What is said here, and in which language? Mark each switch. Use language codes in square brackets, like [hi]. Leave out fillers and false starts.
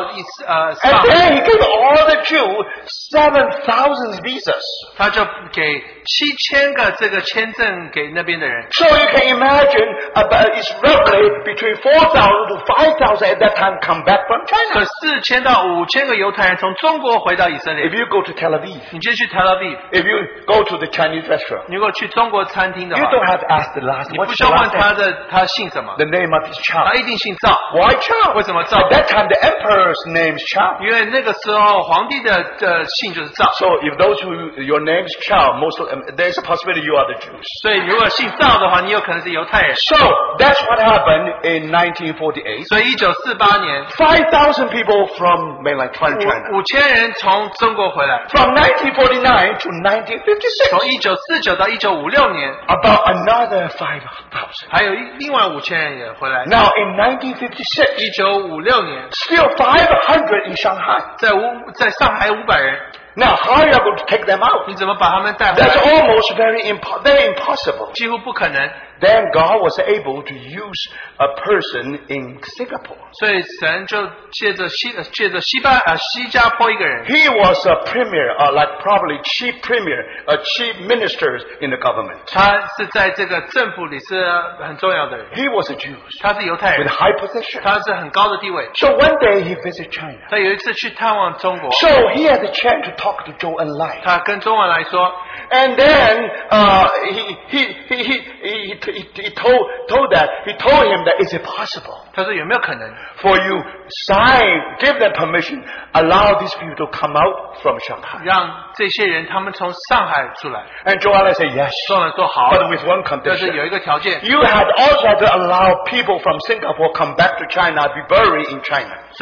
[en] and then he gave all the Jews 7,000 visas. [zh] 他就给7,000个这个签证给那边的人。 [en] So you can imagine about it's roughly between 4,000 to 5,000 at that time come back from China. [zh] 可4,000到5,000个犹太人从中国回到以色列。 [en] If you go to Tel Aviv, [zh] 你就去Tel Aviv, [en] if you go to the Chinese restaurant, [zh] 如果去中国餐厅的话, [en] you don't have to ask the last [zh] name. 你不需要问他姓什么。 [en] The name of his child. [zh] 他一定姓赵。 [en] Why Chao? [zh] 为什么赵? [en] At that time, the emperor's name is Chao. [zh] 因为那个时候皇帝的姓就是赵。 [en] So if those who, your name is Chao, most of, there's a possibility you are the Jews. [zh] 所以如果姓赵的话, 你有可能是犹太人。 [en] So that's what happened in 1948. [zh] 所以1948年, [en] 5,000 people people from mainland China. [zh] 5,000人从中国回来. [en] From 1949 to 1956. [zh] 从1949到1956年. [en] About another 5,000. [zh] 还有另外5,000人也回来. [en] Now in 1956. [zh] 1956年. [en] Still 500 in Shanghai. [zh] 在上海500人. [en] Now, how are you going to take them out? That's almost very impossible. [zh] 几乎不可能. [en] Then God was able to use a person in Singapore. [zh] 所以神就借着西加坡一个人. [en] He was a premier, like probably chief premier, a chief minister in the government. [zh] 他是在这个政府里是很重要的人. [en] He was a Jew. [zh] 他是犹太人. [en] With high position. [zh] 他是很高的地位. [en] So one day he visited China. [zh] 他有一次去探望中国. [en] So he had a chance to talk to Zhou Enlai. [zh] 他跟周恩来说. [en] And then he told him that is it possible? [zh] 他说有没有可能? [en] For you sign, give them permission, allow these people to come out from Shanghai. [zh] 让这些人他们从上海出来. [en] And Zhou Enlai said yes. [zh] 周恩来说好. [en] But with one condition. [zh] 但是有一个条件. [en] You had also to allow people from Singapore come back to China, be buried in China.